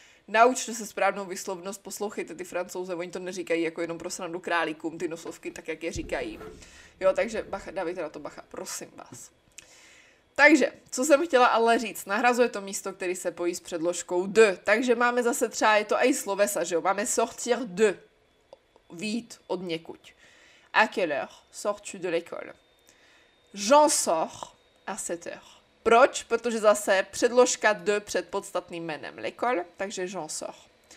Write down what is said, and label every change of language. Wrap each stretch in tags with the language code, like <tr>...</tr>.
<cs>Naučte se správnou výslovnost, poslouchejte ty Francouze, oni to neříkají jako jenom pro srandu králíkům, ty nosovky, tak jak je říkají. Jo, takže bacha, dávejte na to bacha, prosím vás. Takže, co jsem chtěla ale říct, nahrazuje to místo, které se pojí s předložkou de. Takže máme zase třeba, je to aj slovesa, že jo, máme sortir de, vyjít od někuď.</cs> <fr>À quelle heure sors-tu de l'école? J'en sors à 7h. Proč?</fr> <cs>Protože zase předložka de před podstatným jménem l'école, takže</cs> <fr>j'en sors.</fr>